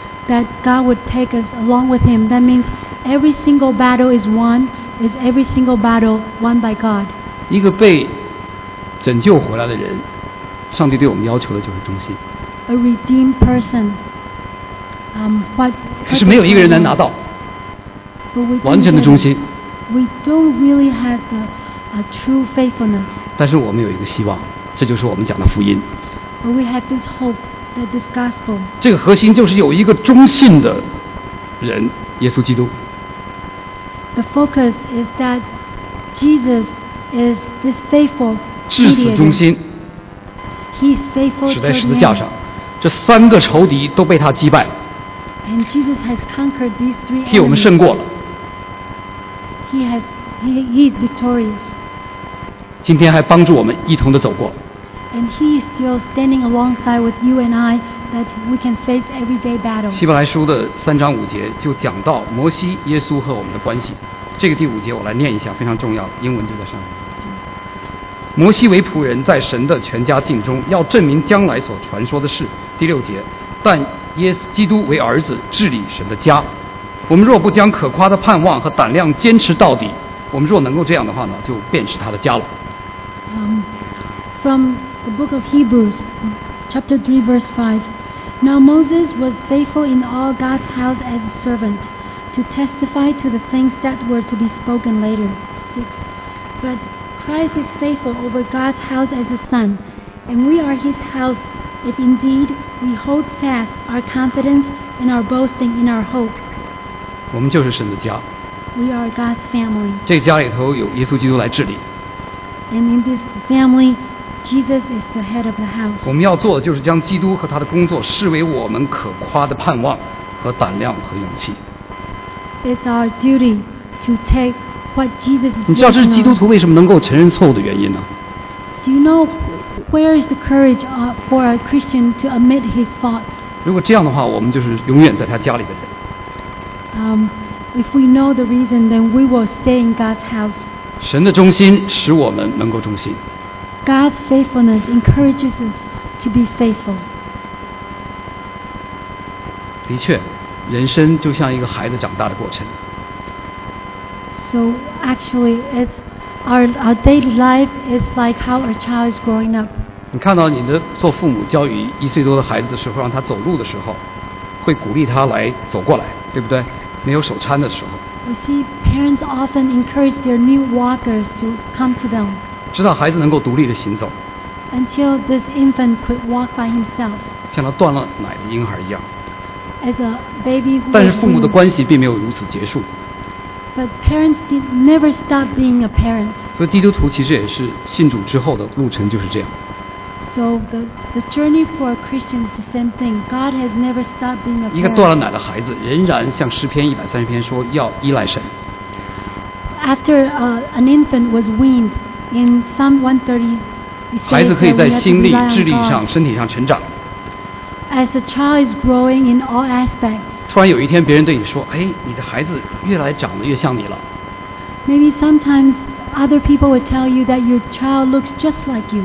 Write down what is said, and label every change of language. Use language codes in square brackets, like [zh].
[en] That God would take us along with Him. That means every single battle is won. Is every single battle won by God? [zh] 一个被拯救回来的人，上帝对我们要求的就是忠心。 [en] A redeemed person. What? [zh] 可是没有一个人能拿到。完全的忠心。 [en] We don't really have a true faithfulness. [zh] 但是我们有一个希望，这就是我们讲的福音。 [en] But we have this hope. This gospel. [zh] 这个核心就是有一个忠信的人，耶稣基督。 [en] The focus is that Jesus is this faithful. [zh] 至死忠心。 [en] He's faithful. [zh] 死在十字架上，这三个仇敌都被他击败。 [en] And Jesus has conquered these three. [zh] 替我们胜过了。 [en] He's victorious. [zh] 今天还帮助我们一同的走过。 [en] And he is still standing alongside with you and I that we can face everyday battle. [zh] 希伯来书的三章五节就讲到摩西、耶稣和我们的关系。这个第五节我来念一下，非常重要，英文就在上面。摩西为仆人，在神的全家境中，要证明将来所传说的事。第六节，但耶稣基督为儿子治理神的家。我们若不将可夸的盼望和胆量坚持到底，我们若能够这样的话呢，就便是他的家了。 [en] From the book of Hebrews, chapter 3, verse 5, Now Moses was faithful in all God's house as a servant to testify to the things that were to be spoken later. 6. But Christ is faithful over God's house as a son, and we are his house if indeed we hold fast our confidence and our boasting in our hope. [zh] 我们就是神的家。 [en] We are God's family. [zh] 这家里头有耶稣基督来治理。 [en] And in this family, Jesus is the head of the house. [zh] 我们要做的就是将基督和他的工作视为我们可夸的盼望和胆量和勇气。 [en] It's our duty to take what Jesus is. [zh] 你知道这是基督徒为什么能够承认错误的原因呢？ [en] Do you know where is the courage for a Christian to admit his faults? [zh] 如果这样的话，我们就是永远在他家里的人。 [en] If we know the reason, then we will stay in God's house. [zh] 神的忠心使我们能够忠心。 [en] God's faithfulness encourages us to be faithful. [zh] 的确，人生就像一个孩子长大的过程。 [en] So actually, it's our daily life is like how a child is growing up. [zh] 你看到你的做父母教育一岁多的孩子的时候，让他走路的时候，会鼓励他来走过来，对不对？没有手搀的时候。 [en] We see parents often encourage their new walkers to come to them. [zh] 直到孩子能够独立的行走。 [en] Until this infant could walk by himself. [zh] 像他断了奶的婴孩一样。 [en] As a baby. [zh] 但是父母的关系并没有如此结束。 [en] But parents did never stop being a parent. [zh] 所以基督徒其实也是信主之后的路程就是这样。 [en] So the journey for a Christian is the same thing. God has never stopped being a parent. [zh] 一个断了奶的孩子仍然像诗篇130篇说要依赖神。 [en] After an infant was weaned in Psalm 130, [zh] 孩子可以在心力、智力上、身体上成长。 [en] As a child is growing in all aspects. [zh] 突然有一天别人对你说，哎，你的孩子越来长得越像你了。 [en] Maybe sometimes. Other people would tell you that your child looks just like you.